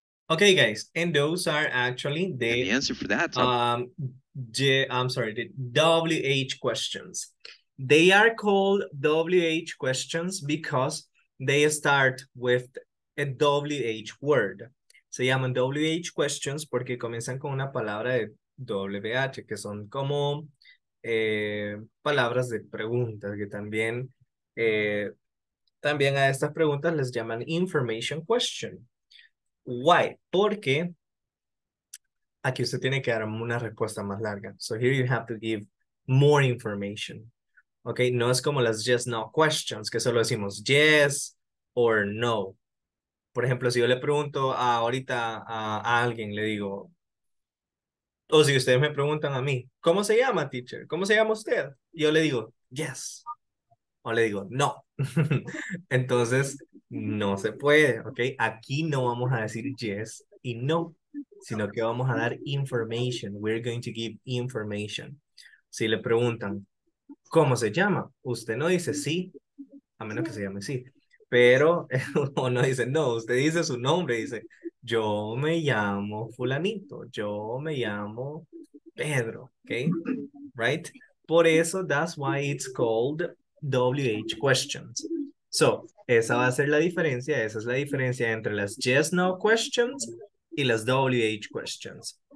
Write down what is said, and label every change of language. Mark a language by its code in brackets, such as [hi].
[en] Okay, guys, and those are actually the... And the answer for that... The WH questions. They are called WH questions because they start with a WH word. [es] Se llaman WH questions porque comienzan con una palabra de WH, que son como palabras de preguntas, que también, también a estas preguntas les llaman information question. Why? Porque aquí usted tiene que dar una respuesta más larga. [en] So here you have to give more information. [es] Okay, no es como las yes, no questions, que solo decimos [en] yes or no. [es] Por ejemplo, si yo le pregunto ahorita a alguien, le digo, o si ustedes me preguntan a mí, ¿cómo se llama, teacher? ¿Cómo se llama usted? Yo le digo, yes. O le digo, no. Entonces, no se puede, okay. Aquí no vamos a decir yes y no, sino que vamos a dar information. [en] We're going to give information. [es] Si le preguntan, ¿cómo se llama? Usted no dice sí, a menos que se llame sí. Pero, o no dice no, usted dice su nombre, dice, yo me llamo fulanito, yo me llamo Pedro, okay? Right? Por eso, [en] that's why it's called WH questions. [es] So, esa va a ser la diferencia, esa es la diferencia entre las yes, no questions y las WH questions.